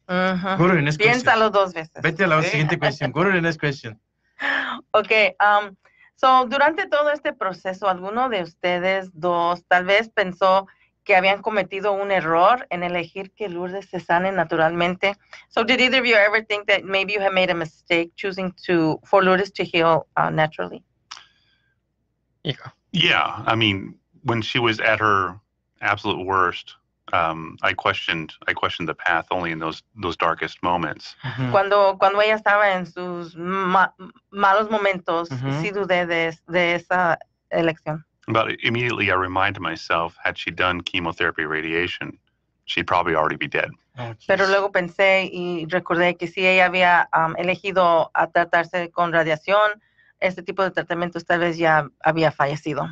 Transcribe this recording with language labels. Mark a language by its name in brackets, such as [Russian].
[Spanish] Uh-huh. Piénsalo question. Dos veces. Vete a la siguiente cuestión. [English] Go to the next question. [Spanish] Ok, so, durante todo este proceso, ¿alguno de ustedes dos tal vez pensó que habían cometido un error en elegir que Lourdes se sane naturalmente? [English] So, did either of you ever think that maybe you had made a mistake choosing to for Lourdes to heal naturally? Yeah, I mean, when she was at her absolute worst, I questioned the path only in those darkest moments. Mm-hmm. [Spanish] Cuando ella estaba en sus malos momentos, mm-hmm. sí dudé de esa elección. [English] But immediately I reminded myself, had she done chemotherapy radiation, she'd probably already be dead. Oh, [Spanish] pero luego pensé y recordé que si ella había elegido a tratarse con radiación, este tipo de tratamientos tal vez ya había fallecido.